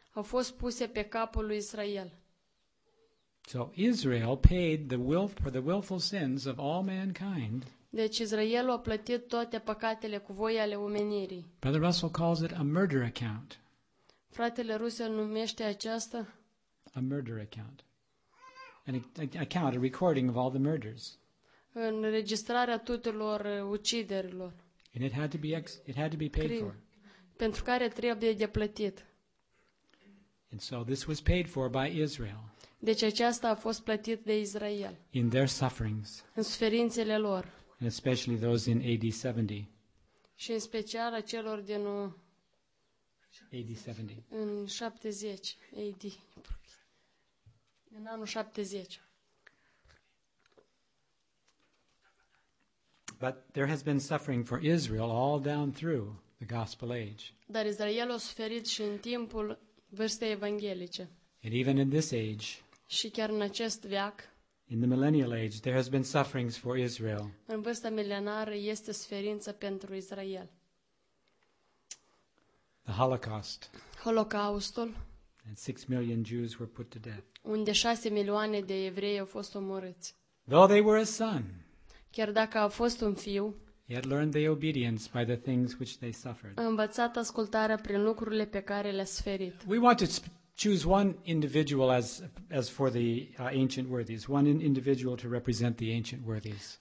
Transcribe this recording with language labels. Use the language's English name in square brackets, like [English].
[Romanian] Au fost puse pe capul lui Israel. [English] So Israel paid for the willful sins of all mankind. [Romanian] Deci Israelul a plătit toate păcatele cu voie ale omenirii. [English] Brother Russell calls it a murder account. [Romanian] Fratele Russell numește aceasta [English] a murder account. An account, a recording of all the murders. [Romanian] Înregistrarea tuturor uciderilor. [English] And it had to be paid for. [Romanian] Pentru care trebuie de plătit. [English] And so this was paid for by Israel. [Romanian] Deci aceasta a fost plătit de Israel. [English] In their sufferings. [Romanian] În suferințele lor. [English] And especially those in AD 70. [Romanian] Și în special a celor din [English] AD 70. [Romanian] În 70 AD. În anul 70. [English] But there has been suffering for Israel all down through the gospel age. [Romanian] Dar Israel a suferit și în timpul vârstei evanghelice. [English] And even in this age. [Romanian] Și chiar în acest veac. [English] In the millennial age, there has been sufferings for Israel. [Romanian] În vârsta milenară este suferință pentru Israel. [English] The Holocaust. [Romanian] Holocaustul. [English] And 6 million Jews were put to death. [Romanian] Unde 6 milioane de evrei au fost omorâți. [English] Though they were a son. [Romanian] Chiar dacă au fost un fiu. [English] Yet learned they obedience by the things which they suffered. [Romanian] A învățat ascultarea prin lucrurile pe care le-a suferit. [English] We want to choose one individual as for the ancient worthies, one individual to represent the ancient worthies.